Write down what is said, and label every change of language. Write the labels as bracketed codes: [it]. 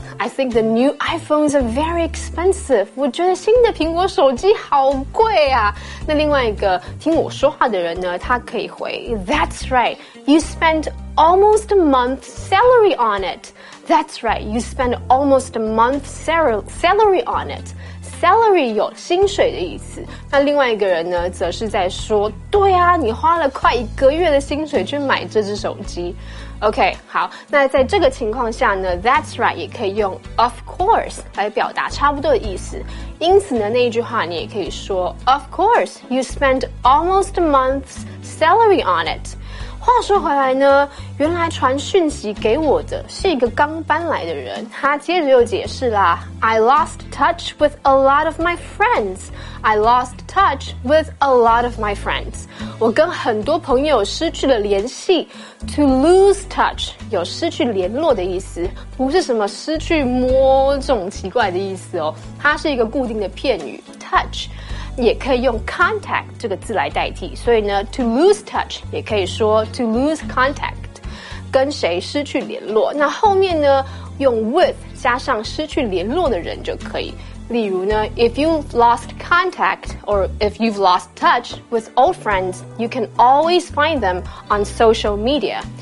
[en] I think the new iPhones are very expensive. [zh] 我觉得新的苹果手机好贵啊。那另外一个听我说话的人呢，他可以回 [en] That's right. You spent almost a month's salary on it. That's right. You spent almost a month's salary on it. [zh] Salary 有薪水的意思。那另外一个人呢，则是在说对啊，你花了快一个月的薪水去买这只手机。 OK， 好，那在这个情况下呢 [en] That's right [zh] 也可以用 [en] Of course [zh] 来表达差不多的意思。因此呢，那一句话你也可以说 [en] Of course you spent almost a month's salary on it。 [zh] 话说回来呢，原来传讯息给我的是一个刚搬来的人，他接着又解释啦 [en] I lost touch with a lot of my friends。 I lost touch with a lot of my friends。 [zh] 我跟很多朋友失去了联系。 [en] To lose touch [zh] 有失去联络的意思，不是什么失去摸这种奇怪的意思哦。它是一个固定的片语 touch， 也可以用 contact 这个字来代替。所以呢 ， [en] to lose touch [zh] 也可以说 [en] to lose contact， [zh] 跟谁失去联络。那后面呢，用 with 加上失去联络的人就可以。例如呢 [en] ，if you lost contact or if you've lost touch with old friends, you can always find them on social media.